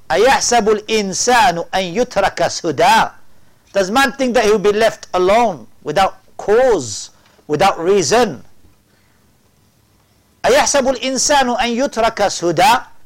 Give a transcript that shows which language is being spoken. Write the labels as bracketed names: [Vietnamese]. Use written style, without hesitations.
[Arabic] أَيَحْسَبُ الْإِنسَانُ أَن يُتْرَكَ سُدَى. [English] Does man think that he will be left alone without cause, without reason? [Arabic] أَيَحْسَبُ الْإِنسَانُ أَن يُتْرَكَ سُدَى.